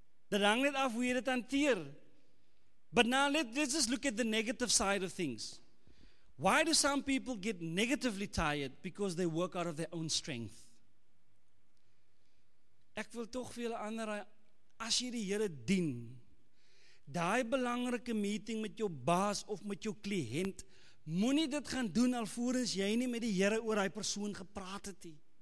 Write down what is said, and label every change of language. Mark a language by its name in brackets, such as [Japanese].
[Afrikaans] Dit hang net af hoe jy dit hanteer. [English] But now let's just look at the negative side of things. Why do some people get negatively tired? Because they work out of their own strength. [Afrikaans] Ek wil toch vir julle ander, as jy die Here dien, daai belangrike meeting met jou baas of met jou kliënt, moenie dit gaan doen alvorens jy nie met die Here oor hy persoon gepraat het nie.